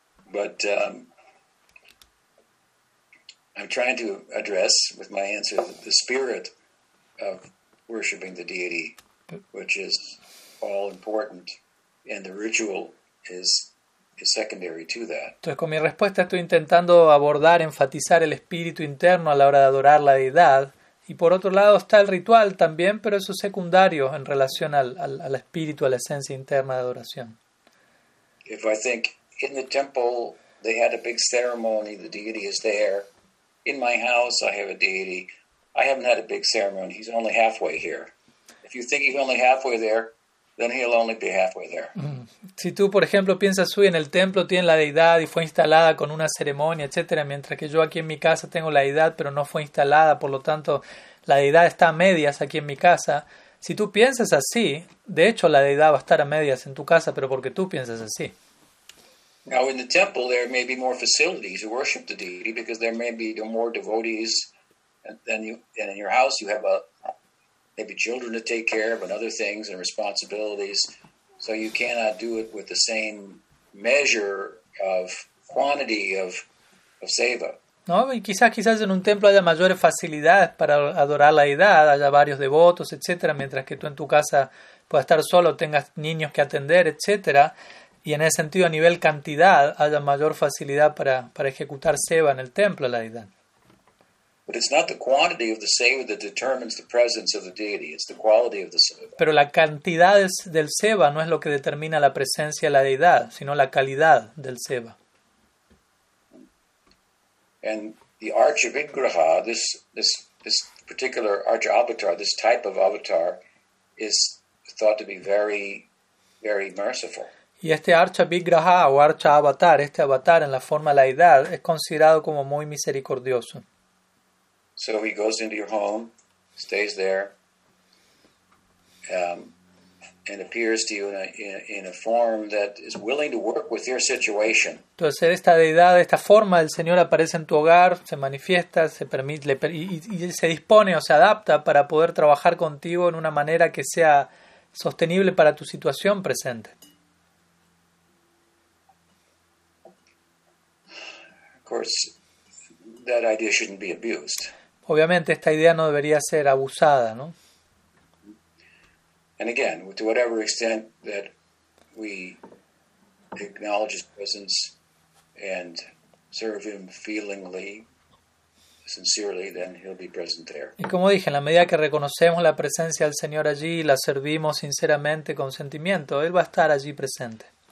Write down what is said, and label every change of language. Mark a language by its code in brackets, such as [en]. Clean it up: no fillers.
[en] But I'm trying to address with my answer the spirit of worshiping the deity, which is all important, and the ritual is secondary to that. [es] Entonces, con mi respuesta estoy intentando abordar, enfatizar el espíritu interno a la hora de adorar la deidad, y por otro lado está el ritual también, pero eso es secundario en relación al espíritu, a la esencia interna de adoración. [en] If I think in the temple they had a big ceremony, the deity is there. In my house, I have a deity. I haven't had a big ceremony. He's only halfway here. If you think he's only halfway there, then he'll only be halfway there. Mm. [es] Si tú, por ejemplo, piensas, uy, en el templo tiene la deidad y fue instalada con una ceremonia, etcétera, mientras que yo aquí en mi casa tengo la deidad, pero no fue instalada, por lo tanto, la deidad está a medias aquí en mi casa. Si tú piensas así, de hecho, la deidad va a estar a medias en tu casa, pero porque tú piensas así. [en] Now in the temple there may be more facilities to worship the deity because there may be more devotees than in your house. You have maybe children to take care of and other things and responsibilities, so you cannot do it with the same measure of quantity of seva. [es] No, y quizás en un templo haya mayores facilidades para adorar la deidad, haya varios devotos, etcétera, mientras que tú en tu casa puedas estar solo, tengas niños que atender, etcétera. Y en ese sentido, a nivel cantidad, haya mayor facilidad para ejecutar seva en el templo a la deidad. [en] But it's not the quantity of the seva that determines the presence of the deity, it's the quality of the seva. [es] Pero la cantidad del seva no es lo que determina la presencia de la deidad, sino la calidad del seva. [en] And the archivigraha, this particular archavatar, this type of avatar, is thought to be very, very merciful. [es] Y este archa vigraha o archa avatar, este avatar en la forma de la deidad, es considerado como muy misericordioso. [en] So he goes into your home, stays there, and appears to you in a form that is willing to work with your situation. [es] Entonces esta deidad, esta forma del Señor aparece en tu hogar, se manifiesta, se permite y se dispone o se adapta para poder trabajar contigo en una manera que sea sostenible para tu situación presente. [en] Of course, that idea shouldn't be abused. [es] Obviamente esta idea no debería ser abusada, ¿no? [en] And again, to whatever extent that we acknowledge his presence and serve him feelingly, sincerely, then he'll be present there. [es] Y como dije, en la medida que reconocemos la presencia del Señor allí y la servimos sinceramente con sentimiento, él va a estar allí presente.